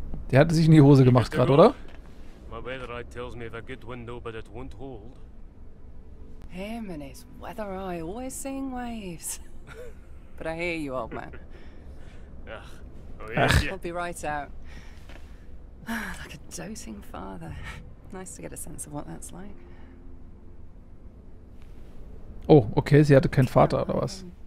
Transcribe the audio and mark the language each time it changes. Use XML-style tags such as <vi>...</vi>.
<de>Der hatte sich in die Hose gemacht gerade, oder?</de> <en>My weather eye tells me if I get window, but it won't hold. Him and his weather eye always seeing waves. But I hear you, old man. Ach. Oh, yeah. Ach. I'll be right out. Like a doting father. Nice to get a sense of what that's like.</en> <de>Oh, okay, sie hatte keinen Vater, oder was?</de>